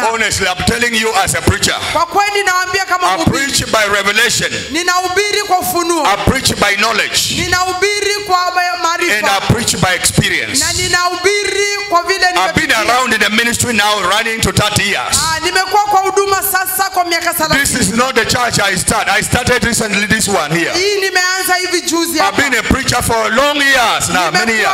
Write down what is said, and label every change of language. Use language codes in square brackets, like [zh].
[en] Honestly, I'm telling you as a preacher. [sw] Kwa kweli naambia kama mhubiri. [en] I preach by revelation. [sw] Ninahubiri kwa ufunuo. [en] I preach by knowledge. [sw] Ninahubiri kwa maarifa. [en] And I preach by experience. [sw] Na ninahubiri kwa vile nimepitia. [en] I've been around in the ministry now running to 30 years. [sw] Nimekuwa kwa huduma sasa kwa miaka 30. [en] This is not the church I start. I started recently this one here. [sw] Hii nimeanza hivi juzi hapa. [en] I've been a preacher for long years now, many years.